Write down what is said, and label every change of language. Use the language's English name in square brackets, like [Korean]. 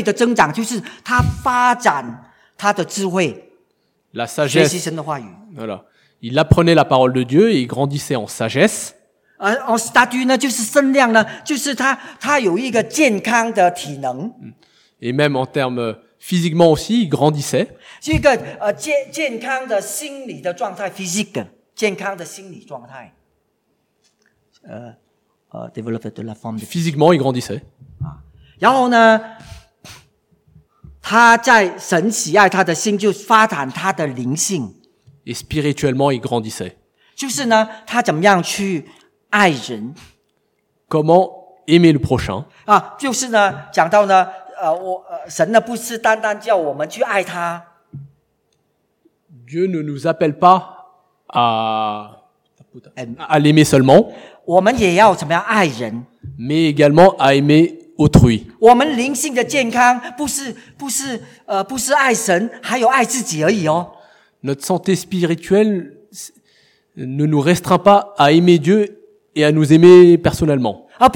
[Chinese] 就是他的智慧的增长，就是他发展他的智慧。 [French] La sagesse. [Chinese] 学习神的话语。 [French] Voilà. Il apprenait la parole de Dieu et il grandissait en sagesse. en statut [Chinese] 呢，就是身量呢，就是他有一个健康的体能。 [French] Et même en termes physiquement aussi, il grandissait. [Chinese] 是一个健康的心理的状态，physique，健康的心理状态。 [French] développer de la forme de... physiquement, il grandissait. [Chinese] 然后呢, 他在神喜爱他的心就发展他的灵性, [French] et spirituellement, il grandissait. [Chinese] 就是呢, 他怎么样去爱人, [French] comment aimer le prochain? [Chinese] 啊, 就是呢, 讲到呢, 神呢不是单单叫我们去爱他, [French] Dieu ne nous appelle pas à l'aimer seulement, mais également à aimer autrui. [Chinese] 我们灵性的健康不是爱神，还有爱自己而已哦。 [French] Notre santé spirituelle ne nous restreint pas à aimer Dieu et à nous aimer personnellement.